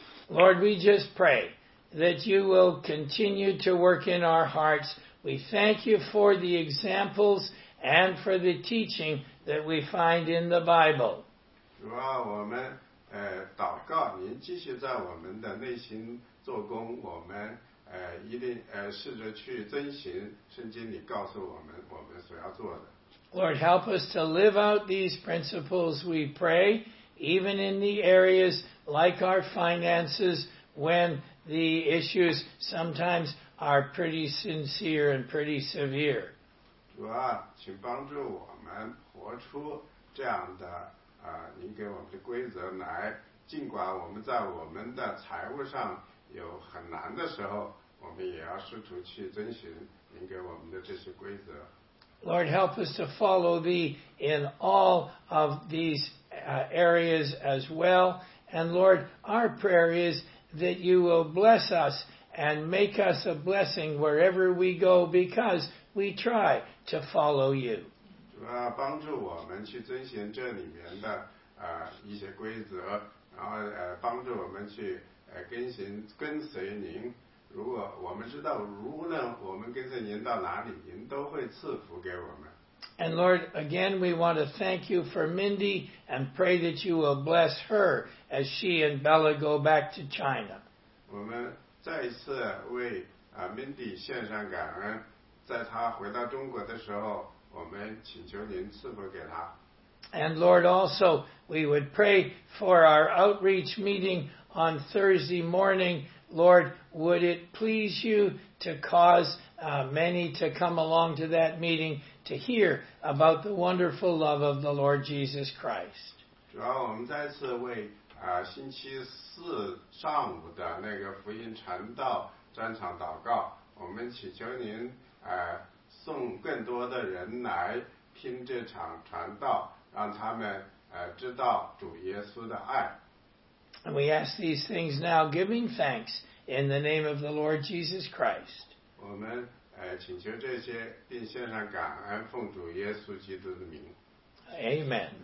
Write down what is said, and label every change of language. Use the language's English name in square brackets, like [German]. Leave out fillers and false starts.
[English] Lord, we just pray that you will continue to work in our hearts. We thank you for the examples and for the teaching that we find in the Bible. [Chinese] 主啊，我们祷告，您继续在我们的内心做工。我们一定试着去遵循圣经里告诉我们我们所要做的。 [English] Lord, help us to live out these principles, we pray, even in the areas like our finances when the issues sometimes are pretty sincere and pretty severe. [Chinese] 主啊，请帮助我们活出这样的您给我们的规则来，尽管我们在我们的财务上有很难的时候，我们也要试图去遵循您给我们的这些规则。 [English] Lord, help us to follow thee in all of these areas as well. And Lord, our prayer is that you will bless us and make us a blessing wherever we go because we try to follow you. [Chinese] 帮助我们去遵循这里面的一些规则，然后帮助我们去跟随您。如果我们知道，无论我们跟随您到哪里，您都会赐福给我们。 [English] And Lord, again, we want to thank you for Mindy and pray that you will bless her as she and Bella go back to China. [Chinese] 我们再一次为 Mindy 献上感恩，在她回到中国的时候，我们请求您赐福给她。 [English] And Lord, also, we would pray for our outreach meeting on Thursday morning. Lord, would it please you to cause many to come along to that meeting to hear about the wonderful love of the Lord Jesus Christ. [Chinese] 主要我们再次为星期四上午的那个福音传道专场祷告，我们祈求您送更多的人来听这场传道，让他们知道主耶稣的爱。 [English] And we ask these things now, giving thanks in the name of the Lord Jesus Christ. [Chinese] 我们 请求这些，并献上感恩，奉主耶稣基督的名。Amen.